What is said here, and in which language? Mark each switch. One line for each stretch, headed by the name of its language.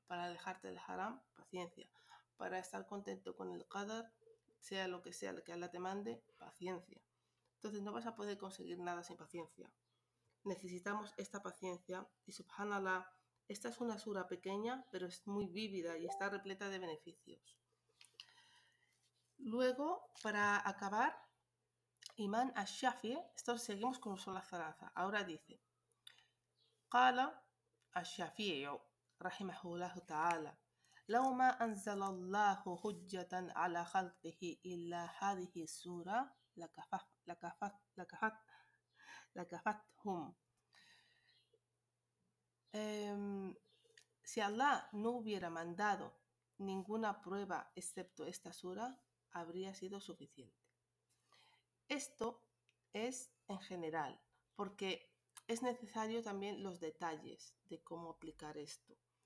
Spanish: Para alejarte del haram, paciencia. Para estar contento con el qadar, sea lo que sea lo que Allah te mande, paciencia. Entonces no vas a poder conseguir nada sin paciencia. Necesitamos esta paciencia y subhanallah, esta es una sura pequeña, pero es muy vívida y está repleta de beneficios. Luego, para acabar, Imán al-Shafi, esto seguimos con Sola Zaraza, ahora dice,
Arabic: قال الشافعي رحمه الله تعالى لو ما أنزل الله حجة على خلقه إلا هذه السورة لكفتهم.
Spanish: Si Allah no hubiera mandado ninguna prueba excepto esta sura, habría sido suficiente. Esto es en general, porque es necesario también los detalles de cómo aplicar esto.